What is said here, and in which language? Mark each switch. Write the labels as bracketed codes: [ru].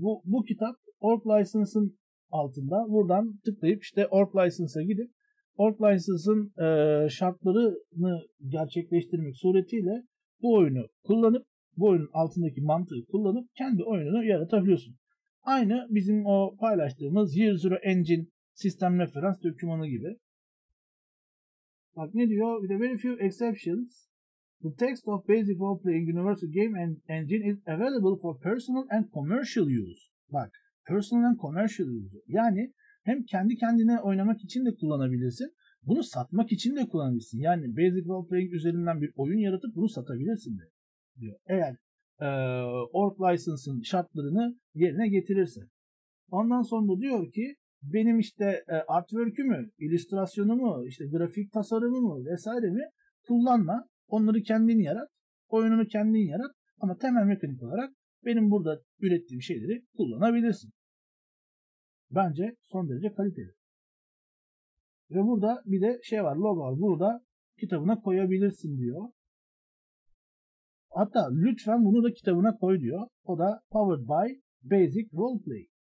[tr] Bu kitap org license'ın altında. Buradan tıklayıp işte org license'a gidip org license'ın şartlarını gerçekleştirmek suretiyle bu oyunu kullanıp, bu oyunun altındaki mantığı kullanıp kendi oyununu yaratabiliyorsun. Aynı bizim o paylaştığımız Year Zero Engine sistem referans dokümanı gibi. Bak ne diyor? [en] With a very few exceptions, the text of Basic Roleplaying Universal Game Engine is available for personal and commercial use. Bak, personal and commercial use. [tr] Yani hem kendi kendine oynamak için de kullanabilirsin, bunu satmak için de kullanabilirsin. Yani Basic Roleplaying üzerinden bir oyun yaratıp bunu satabilirsin de. Diyor. Eğer org license'ın şartlarını yerine getirirse. Ondan sonra diyor ki benim işte artwork'ü mü, illüstrasyonu mu, işte grafik tasarımı mı vesaire mi kullanma. Onları kendin yarat. Oyununu kendin yarat. Ama temel mekanik olarak benim burada ürettiğim şeyleri kullanabilirsin. Bence son derece kaliteli. Ve burada bir de şey var, logo var. Burada kitabına koyabilirsin diyor. Hatta lütfen bunu da kitabına koy diyor. O da Powered by Basic Roleplay.